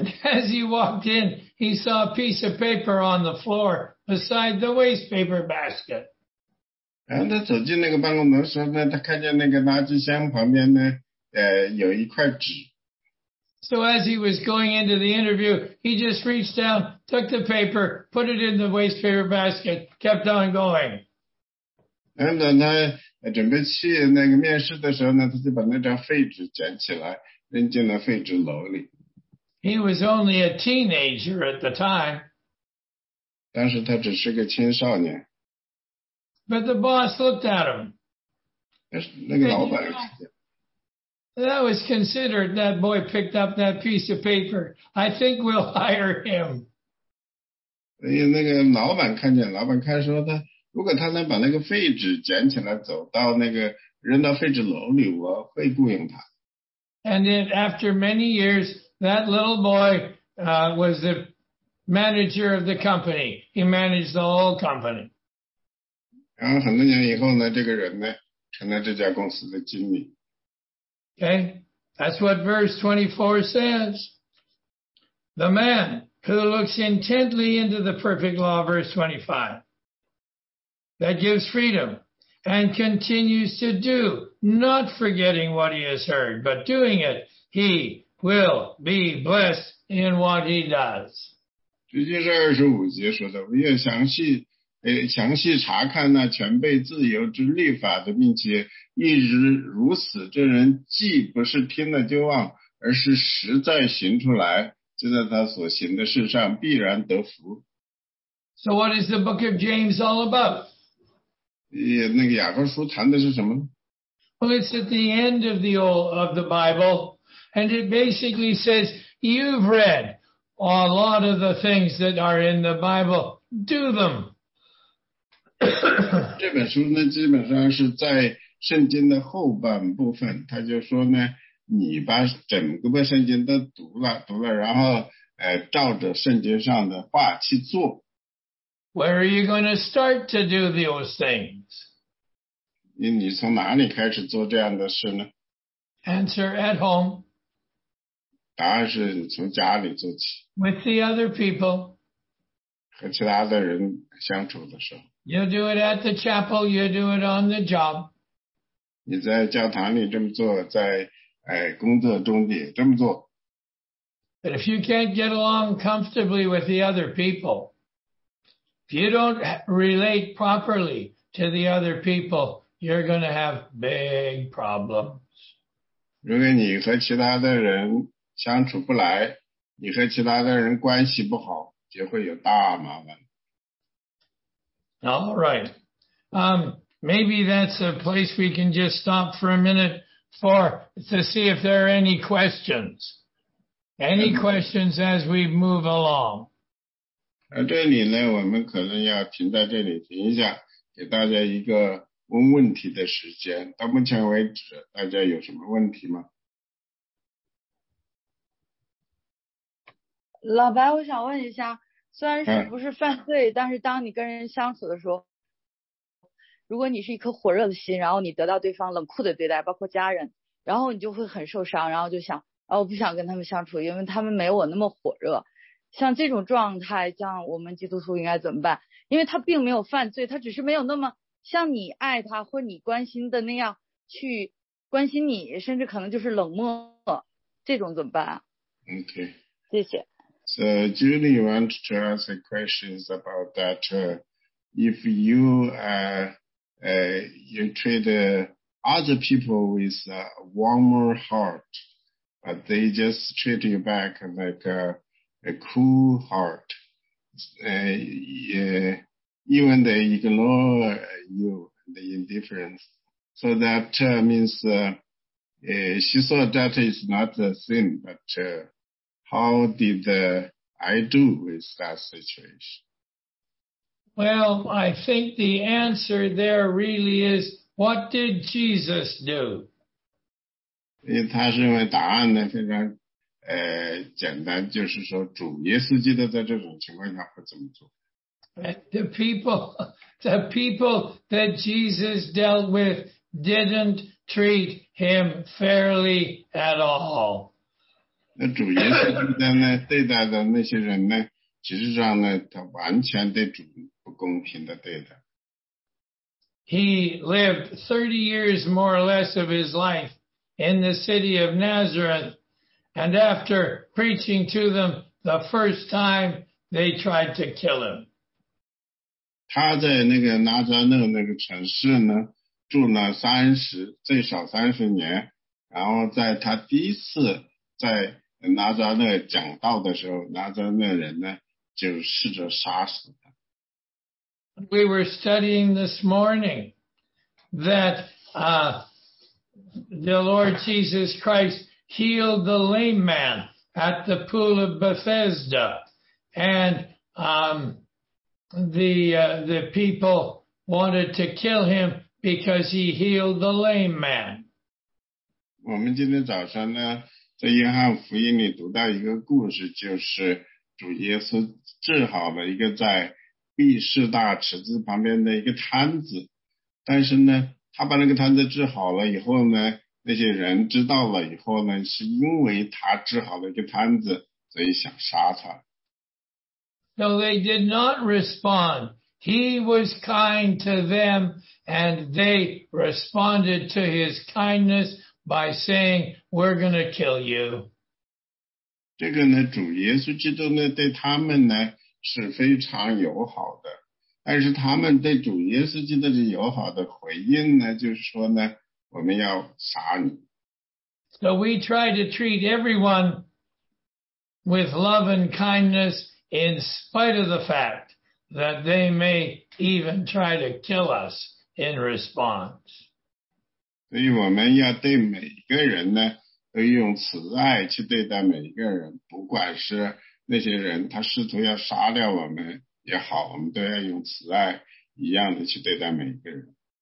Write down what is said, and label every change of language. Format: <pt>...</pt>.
<en>And as he walked in, he saw a piece of paper on the floor beside the waste paper basket.</en> <zh>然后他走进那个办公楼的时候呢，他看见那个垃圾箱旁边呢，有一块纸。</zh> <en>So as he was going into the interview, he just reached down, took the paper, put it in the waste paper basket, kept on going. And then</en> <zh>他准备去那个面试的时候呢，他就把那张废纸捡起来，扔进了废纸篓里。</zh> <en>He was only a teenager at the time.</en> <zh>当时他只是个青少年。</zh> <en>But the boss looked at him.</en> <zh>那个老板。</zh> <en>That was considered, that boy picked up that piece of paper. I think we'll hire him.</en> <zh>那个老板看见，老板看说他，如果他能把那个废纸捡起来走到那个，扔到废纸篓里，我会雇佣他。</zh> <en>And then after many years, that little boy was the manager of the company. He managed the whole company.</en> <zh>然后很多年以后呢，这个人呢，成了这家公司的经理。</zh> <en>Okay, that's what verse 24 says. The man who looks intently into the perfect law, verse 25, that gives freedom and continues to do, not forgetting what he has heard, but doing it, he will be blessed in what he does.</en> <zh>这就是25节说的，我要详细查看那全备自由之律法的，并且一直如此，这人既不是听了就忘，而是实在行出来，就在他所行的事上必然得福。</zh> <en>So what is the book of James all about?</en> <zh>那个雅各书谈的是什么？</zh> <en>Well, it's at the end of the Bible, and it basically says, you've read a lot of the things that are in the Bible, do them.</en> <zh>这本书呢，基本上是在圣经的后半部分，他就说呢，你把整个的圣经都读了，然后照着圣经上的话去做。</zh> <en>Where are you going to start to do those things?</en> <zh>你从哪里开始做这样的事呢？</zh> <en>Answer, at home.</en> <zh>答案是你从家里做起。</zh> <en>With the other people.</en> <zh>和其他的人相处的时候。</zh> <en>You do it at the chapel, you do it on the job.</en> <zh>你在教堂里这么做，在工作中也这么做。</zh> <en>But if you can't get along comfortably with the other people, if you don't relate properly to the other people, you're going to have big problems.</en> <zh>如果你和其他的人相处不来，你和其他的人关系不好，就会有大麻烦。</zh> <en>All right. Maybe that's a place we can just stop for a minute to see if there are any questions. Any questions as we move along?</en> <zh>这里呢，我们可能要停在这里停一下，给大家一个问问题的时间。到目前为止，大家有什么问题吗？老白，我想问一下。虽然是不是犯罪，但是当你跟人相处的时候，如果你是一颗火热的心，然后你得到对方冷酷的对待，包括家人，然后你就会很受伤，然后就想，我不想跟他们相处，因为他们没我那么火热。像这种状态，像我们基督徒应该怎么办？因为他并没有犯罪，他只是没有那么像你爱他或你关心的那样去关心你，甚至可能就是冷漠，这种怎么办啊？ OK，谢谢。</zh> <en>So Julie wants to ask a question about that. If you you treat other people with a warmer heart, but they just treat you back like a cool heart, even they ignore you, the indifference. So that means she thought that is not a sin, but how did I do with that situation? Well, I think the answer there really is, what did Jesus do?</en> <zh>因为他认为答案呢非常简单，就是说主耶稣基督在这种情况下会怎么做。</zh> <en>The people that Jesus dealt with didn't treat him fairly at all.</en> <zh>那主耶稣基督呢对待的那些人呢，其实上呢他完全对主不公平的对待。</zh> <en>He lived 30 years more or less of his life in the city of Nazareth, and after preaching to them the first time, they tried to kill him.</en> <zh>他在那个拿撒勒那个城市呢住了三十，最少三十年，然后在他第一次在拿扎勒讲道的时候，拿扎勒人呢，就试着杀死他。</zh> <en>We were studying this morning that the Lord Jesus Christ healed the lame man at the pool of Bethesda, and the people wanted to kill him because he healed the lame man.</en> <zh>我们今天早上呢，在约翰福音里读到一个故事，就是主耶稣治好了一个在毕士大池子旁边的一个摊子，但是呢，他把那个摊子治好了以后呢，那些人知道了以后呢，是因为他治好了一个摊子，所以想杀他。</zh> <en>So they did not respond. He was kind to them, and they responded to his kindness by saying, "We're going to kill you."</en> <zh>这个呢，主耶稣基督呢，对他们呢是非常友好的，但是他们对主耶稣基督的友好的回应呢，就是说呢，我们要杀你。</zh> <en>So we try to treat everyone with love and kindness, in spite of the fact that they may even try to kill us in response.</en> <zh>所以我们要对每个人呢，都用慈爱去对待每个人，不管是那些人他试图要杀掉我们也好，我们都要用慈爱一样的去对待每个人。</zh>